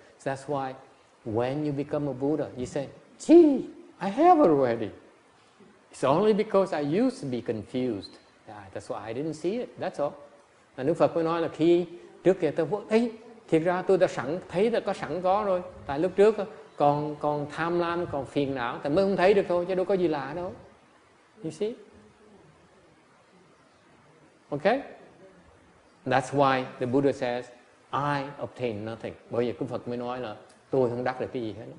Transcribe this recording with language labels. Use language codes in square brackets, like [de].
[en] So that's why when you become a Buddha, you say, gee, I have already. It's only because I used to be confused. Yeah, that's why I didn't see it. That's all. [vi] Và Đức Phật mới nói là khi trước kia tôi thấy, thiệt ra tôi đã sẵn, thấy đã có sẵn có rồi. Tại lúc trước còn tham lam, còn phiền não, tại mới không thấy được thôi, chứ đâu có gì lạ đâu. [en] You see? Okay? That's why the Buddha says, I obtain nothing. [vi] Bởi vì Đức Phật mới nói là tôi không đắc được cái gì hết.